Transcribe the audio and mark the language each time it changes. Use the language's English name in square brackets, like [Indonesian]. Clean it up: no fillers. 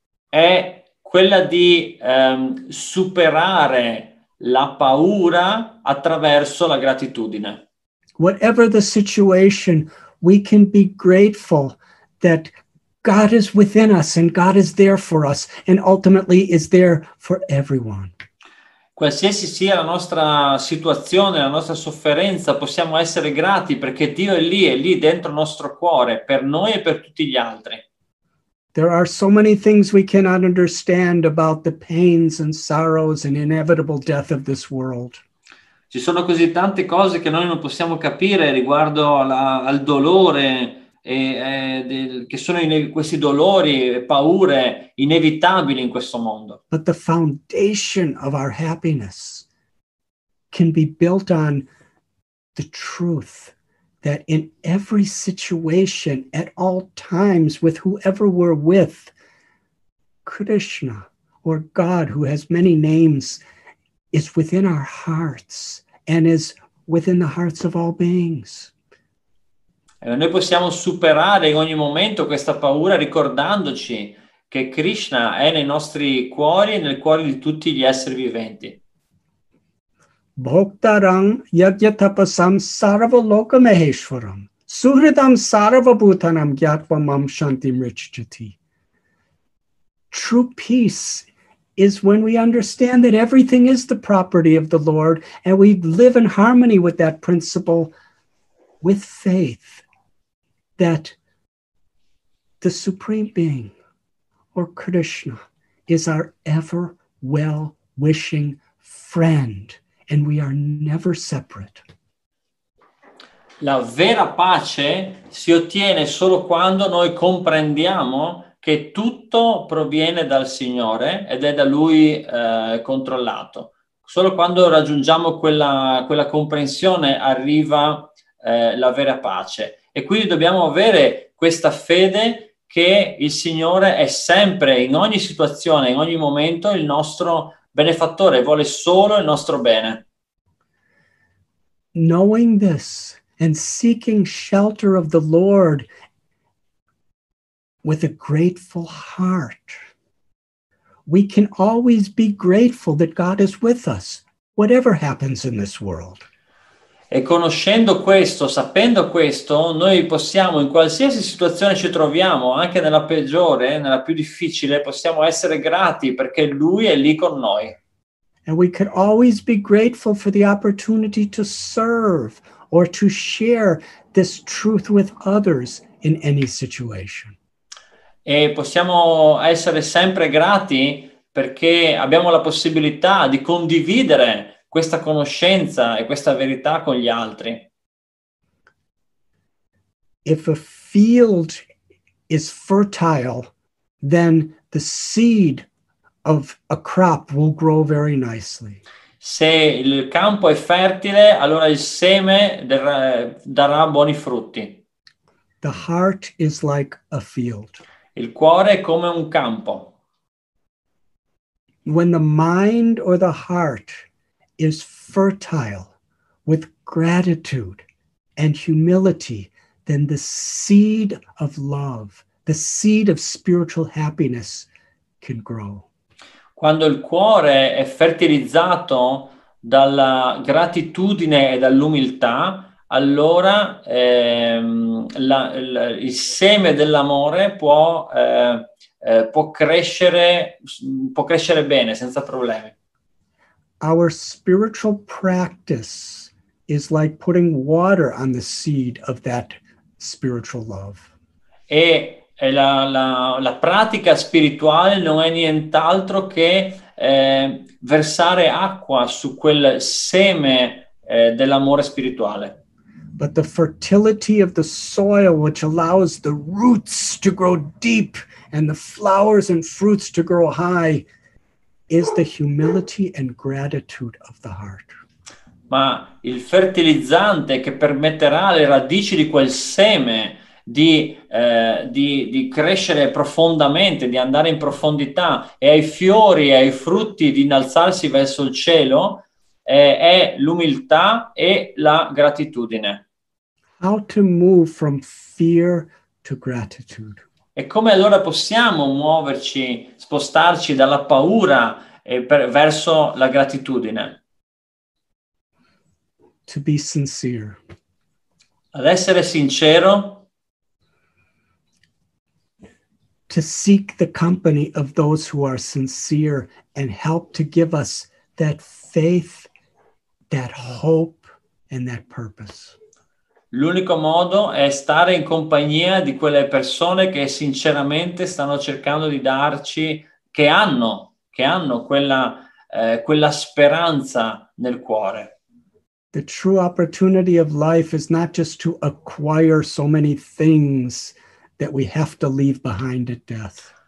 [Italian] È quella di superare la paura attraverso la gratitudine. [English] Whatever the situation, we can be grateful that God is within us and God is there for us and ultimately is there for everyone. [Italian] Qualsiasi sia la nostra situazione, la nostra sofferenza, possiamo essere grati perché Dio è lì dentro il nostro cuore, per noi e per tutti gli altri. [English] There are so many things we cannot understand about the pains and sorrows and inevitable death of this world. [Italian] Ci sono così tante cose che noi non possiamo capire riguardo al dolore questi dolori e paure inevitabili in questo mondo. [English] But the foundation of our happiness can be built on the truth that in every situation, at all times, with whoever we're with, Krishna or God, who has many names, is within our hearts and is within the hearts of all beings. [Italian] Noi possiamo superare in ogni momento questa paura ricordandoci che Krishna è nei nostri cuori e nel cuore di tutti gli esseri viventi. [Sanskrit] Bhoktaram yajyatapasam sarvalokameshwaram suhridam sarvabhutanam gyatvamam shantimrichchati. [English] True peace is when we understand that everything is the property of the Lord and we live in harmony with that principle with faith. That the Supreme Being, or Krishna, is our ever well-wishing friend, and we are never separate. [Italian] La vera pace si ottiene solo quando noi comprendiamo che tutto proviene dal Signore ed è da Lui controllato. Solo quando raggiungiamo quella comprensione arriva la vera pace. E quindi dobbiamo avere questa fede che il Signore è sempre, in ogni situazione, in ogni momento, il nostro benefattore, vuole solo il nostro bene. [English] Knowing this and seeking shelter of the Lord with a grateful heart, we can always be grateful that God is with us, whatever happens in this world. [Italian] E conoscendo questo, sapendo questo, noi possiamo, in qualsiasi situazione ci troviamo, anche nella peggiore, nella più difficile, possiamo essere grati perché Lui è lì con noi. [English] And we can always be grateful for the opportunity to serve or to share this truth with others in any situation. [Italian] E possiamo essere sempre grati perché abbiamo la possibilità di condividere questa conoscenza e questa verità con gli altri. [English] If a field is fertile, then the seed of a crop will grow very nicely. [Italian] Se il campo è fertile, allora il seme darà buoni frutti. [English] The heart is like a field. [Italian] Il cuore è come un campo. [English] When the mind or the heart is fertile with gratitude and humility, then the seed of love, the seed of spiritual happiness can grow. [Italian] Quando il cuore è fertilizzato dalla gratitudine e dall'umiltà, allora il seme dell'amore può crescere bene senza problemi. [English] Our spiritual practice is like putting water on the seed of that spiritual love. [Italian] E la pratica spirituale non è nient'altro che versare acqua su quel seme dell'amore spirituale. [English] But the fertility of the soil, which allows the roots to grow deep and the flowers and fruits to grow high, is the humility and gratitude of the heart. [Italian] Ma il fertilizzante che permetterà le radici di quel seme di crescere profondamente, di andare in profondità, e ai fiori e ai frutti di innalzarsi verso il cielo, è l'umiltà e la gratitudine. [English] How to move from fear to gratitude. [Italian] E come allora possiamo muoverci, spostarci dalla paura verso la gratitudine? [English] To be sincere. [Italian] Ad essere sincero. [English] To seek the company of those who are sincere and help to give us that faith, that hope, and that purpose. [Italian] L'unico modo è stare in compagnia di quelle persone che sinceramente stanno cercando di darci, che hanno quella speranza nel cuore. [English] The true opportunity of life is not just to acquire so many things that we have to leave behind at death.